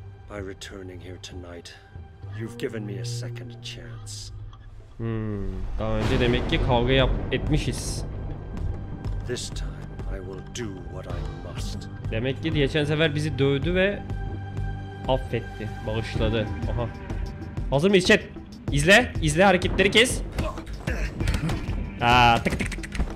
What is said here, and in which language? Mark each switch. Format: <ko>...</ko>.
<en>By returning here tonight, you've given me a second chance.</en> <tr>Hmm, daha önce demek ki kavga etmişiz.</tr> <en>This time I will do what I must.</en> <tr>Demek ki geçen sefer bizi dövdü ve affetti, bağışladı. Aha. Hazır mıyız chat? İzle, izle hareketleri kes. Aa, tık tık tık.</tr>